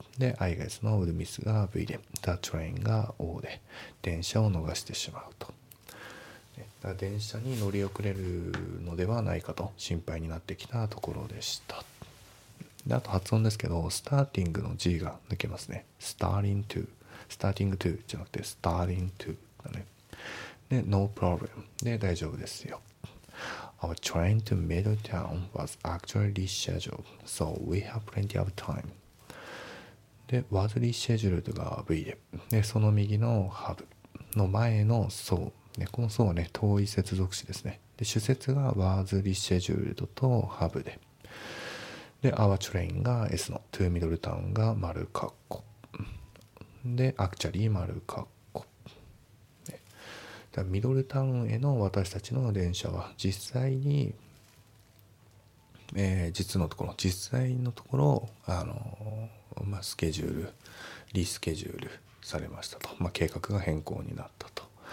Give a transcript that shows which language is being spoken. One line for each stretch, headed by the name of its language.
Japanese: で i が s の
English: will miss
Japanese: が v で
English: the train
Japanese: が o で、電車を逃してしまうと、だから電車に乗り遅れるのではないかと心配になってきたところでした。であと発音ですけど、スターティングの G が抜けますね。スターリントゥ、スターティングトゥじゃなくてスターリントゥだね。で、
English: No problem
Japanese: で大丈夫ですよ。
English: Our train to Middletown was actually rescheduled, so we have plenty of time.
Japanese: で、
English: was rescheduled
Japanese: が V で、でその右の have の前の so、ね、この so はね、遠い接続詞ですね。で主節がワーズリシェジュールドとハブで、でアワチュレインが S のトゥーミドルタウンが丸括弧でアクチャリー丸括弧で、じゃミドルタウンへの私たちの電車は実際に、実のところ、実際のところまあ、スケジュールリスケジュールされましたと、まあ、計画が変更になったと。